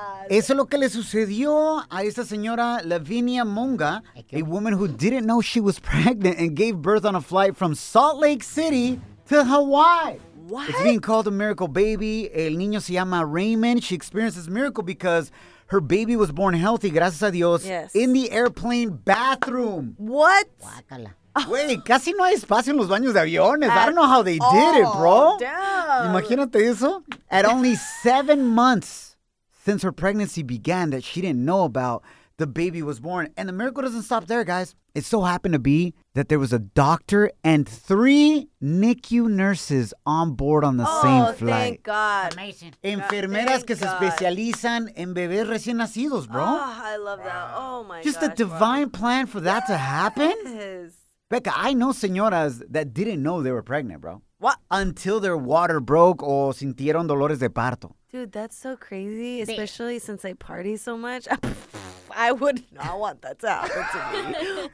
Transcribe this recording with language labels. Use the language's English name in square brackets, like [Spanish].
[Spanish] Eso es lo que le sucedió a esta señora [English] Lavinia Munga, a woman who didn't know she was pregnant and gave birth on a flight from Salt Lake City to Hawaii. What? It's being called a miracle baby. [Spanish] El niño se llama Raymond. [English] She experienced this miracle because her baby was born healthy, [Spanish] gracias a Dios, [English] in the airplane bathroom. What? [Spanish] Guácala. Wait, casi no hay espacio en los baños de aviones. [English] I don't know how they did it, bro. Damn. [Spanish] Imagínate eso. [English] At only 7 months since her pregnancy began that she didn't know about, the baby was born. And the miracle doesn't stop there, guys. It so happened to be that there was a doctor and 3 NICU nurses on board on the same flight. Oh, thank God. Amazing. [Spanish] Enfermeras que se especializan en bebés recién nacidos, bro. [English] Oh, I love that. Oh, my God. Just a divine plan for that to happen? Becca, I know señoras that didn't know they were pregnant, bro. What? Until their water broke [Spanish] o sintieron dolores de parto. [English] Dude, that's so crazy, especially since I party so much. I would not want that to happen to me.